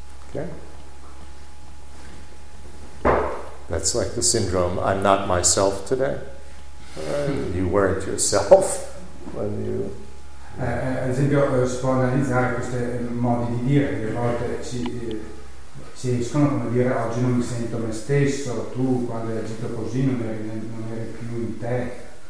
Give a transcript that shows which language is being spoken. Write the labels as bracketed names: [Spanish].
[English] Okay. That's like the syndrome, I'm not myself today. You weren't yourself when you... [Italian] Ad esempio, si può analizzare questi modi di dire, che a volte si riescono come dire oggi non mi sento me stesso, tu quando hai agito così non eri più in te.